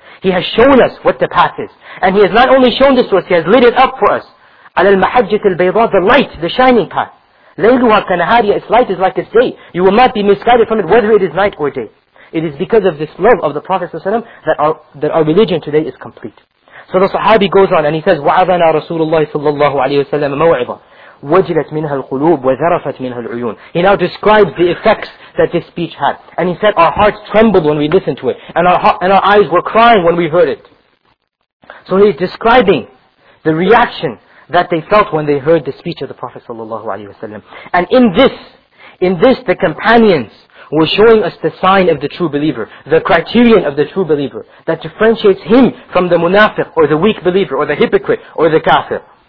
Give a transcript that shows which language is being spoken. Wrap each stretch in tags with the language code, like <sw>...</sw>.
<en>He has shown us what the path is. And he has not only shown this to us, he has lit it up for us.</en> <ar>عَلَى الْمَحَجَّةِ الْبَيْضَىٰ,</ar> <en>the light, the shining path.</en> <ar>لَيْلُهَا كَنَهَارِيَا,</ar> <en>its light is like its day. You will not be misguided from it, whether it is night or day. It is because of this love of the Prophet ﷺ that our religion today is complete. So the Sahabi goes on and he says,</en> <ar>وَعَذَنَا رَسُولُ اللَّهِ صَلَّى اللَّهُ عَلَيْهِ وَسَلَّمَ مَوْعِظًا وَجِلَتْ مِنْهَا الْقُلُوبُ وَذَرَفَتْ مِنْهَا الْعُيُونَ.</ar> <en>He now describes the effects that this speech had. And he said, our hearts trembled when we listened to it. And our eyes were crying when we heard it. So he's describing the reaction that they felt when they heard the speech of the Prophet sallallahu alaihi wasallam. And in this the companions were showing us the sign of the true believer, the criterion of the true believer that differentiates him from the munafiq or the weak believer or the hypocrite or the kafir.</en>